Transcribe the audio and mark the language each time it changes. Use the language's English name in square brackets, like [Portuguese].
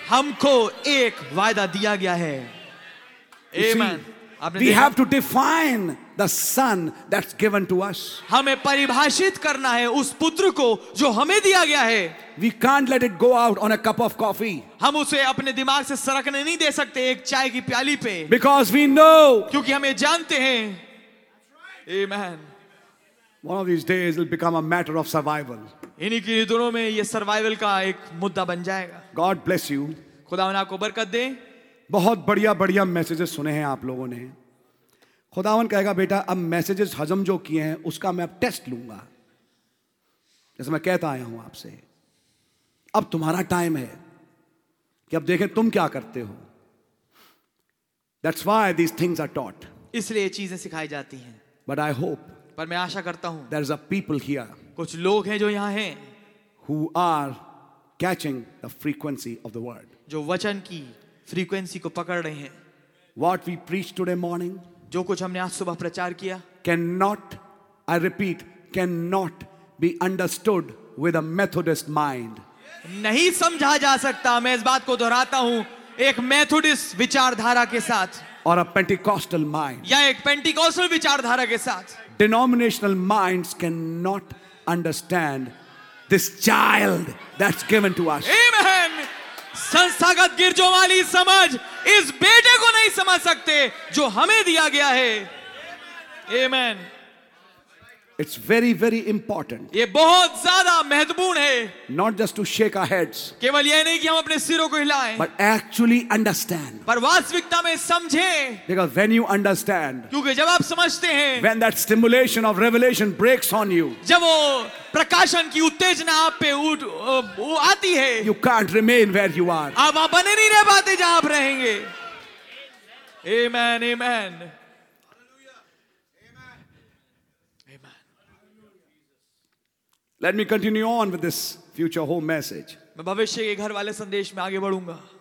[Hindi] हमको एक वायदा दिया गया है। [English] Amen. We have to define the son that's given to us. [Hindi] हमें परिभाषित करना है उस पुत्र को जो हमें दिया गया है। [English] We can't let it go out on a cup of coffee. [Hindi] हम उसे अपने दिमाग से सरकने नहीं दे सकते एक चाय की प्याली पे। [English] Because we know. [Hindi] क्योंकि हम ये जानते हैं। Amen. [English] One of these days it'll become a matter of survival. [Hindi] इन्हीं की दिनों में ये सर्वाइवल का एक मुद्दा बन जाएगा। [English] God bless you. [Hindi] खुदावन आपको बरकत दे। बहुत बढ़िया बढ़िया मैसेजेस सुने हैं आप लोगों ने। खुदावन कहेगा बेटा अब मैसेजेस हजम जो किए हैं उसका मैं अब टेस्ट लूंगा। जैसे मैं कहता आया हूं आपसे, अब तुम्हारा टाइम है कि अब देखें तुम क्या करते हो। [English] that's why these things are taught, [Hindi] इसलिए चीजें सिखाई जाती हैं। [English] but I hope, [Hindi] पर मैं आशा करता हूं, [English] there is a people here, [Hindi] कुछ लोग हैं जो यहां हैं, [English] who are catching the frequency of the word, [Hindi] जो वचन की फ्रीक्वेंसी को पकड़ रहे हैं। [English] what we preach today morning, [Hindi] जो कुछ हमने आज सुबह प्रचार किया, [English] can not, I repeat, can not be understood with a Methodist mind, [Hindi] नहीं समझा जा सकता, मैं इस बात को दोहराता हूं, एक मेथोडिस्ट विचारधारा के साथ, [English] और a Pentecostal mind, [Hindi] या एक पेंटिकॉस्टल विचारधारा के साथ। [English] Denominational minds can not understand this child that's given to us. Amen. [Hindi] संस्थागत गिरजों वाली समझ इस बेटे को नहीं समझ सकते जो हमें दिया गया है। [English] Amen. It's very, very important. [Hindi] ये बहुत ज़्यादा महत्वपूर्ण है। [English] Not just to shake our heads. [Hindi] केवल ये नहीं कि हम अपने सिरों को हिलाएं। [English] But actually understand. [Hindi] पर वास्तविकता में समझें। [English] Because when you understand. [Hindi] क्योंकि जब आप समझते हैं। [English] When that stimulation of revelation breaks on you. [Hindi] जब वो प्रकाशन की उत्तेजना आप पे आती है। [English] You can't remain where you are. [Hindi] आप वहाँ बने नहीं रह पाते जहाँ आप रहेंगे। [English] Amen, amen. Let me continue on with this future home message. [Hindi] मैं भविष्य के घर वाले संदेश में आगे बढ़ूंगा।